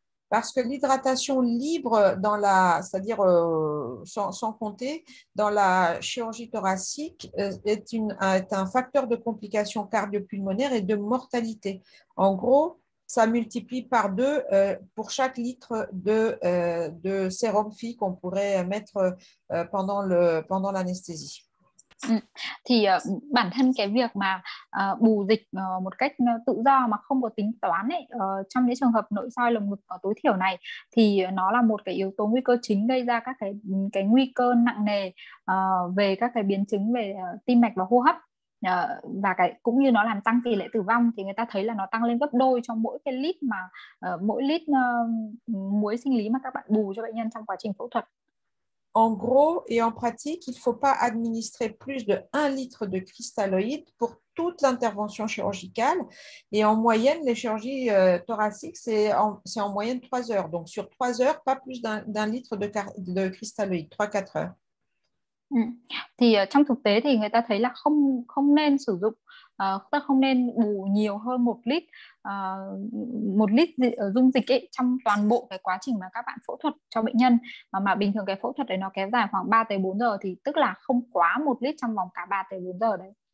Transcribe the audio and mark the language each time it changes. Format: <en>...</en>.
<fr>Parce que l'hydratation libre dans la, c'est-à-dire sans compter, dans la chirurgie thoracique est un facteur de complications cardio-pulmonaires et de mortalité. En gros, ça multiplie par deux pour chaque litre de sérum Phi qu'on pourrait mettre pendant l'anesthésie.</fr> <vi>Thì bản thân cái việc mà bù dịch một cách tự do mà không có tính toán ấy, trong những trường hợp nội soi lồng ngực tối thiểu này thì nó là một cái yếu tố nguy cơ chính gây ra các cái nguy cơ nặng nề về các cái biến chứng về tim mạch và hô hấp, và cái cũng như nó làm tăng tỷ lệ tử vong, thì người ta thấy là nó tăng lên gấp đôi trong mỗi cái lít mà mỗi lít muối sinh lý mà các bạn bù cho bệnh nhân trong quá trình phẫu thuật.</vi> <fr>En gros et en pratique, il ne faut pas administrer plus de 1 litre de cristalloïdes pour toute l'intervention chirurgicale. Et en moyenne, les chirurgies thoraciques, c'est en moyenne 3 heures. Donc sur 3 heures, pas plus d'un litre de cristalloïdes, 3-4 heures.</fr> <vi>Thì trong thực tế thì người ta thấy là không không nên sử dụng ta không nên bù nhiều hơn một lít dung dịch ấy, trong toàn bộ cái quá trình mà các bạn phẫu thuật cho bệnh nhân, mà bình thường cái phẫu thuật đấy nó kéo dài khoảng 3 tới 4 giờ, thì tức là không quá một lít trong vòng cả 3 tới 4 giờ đấy.</vi>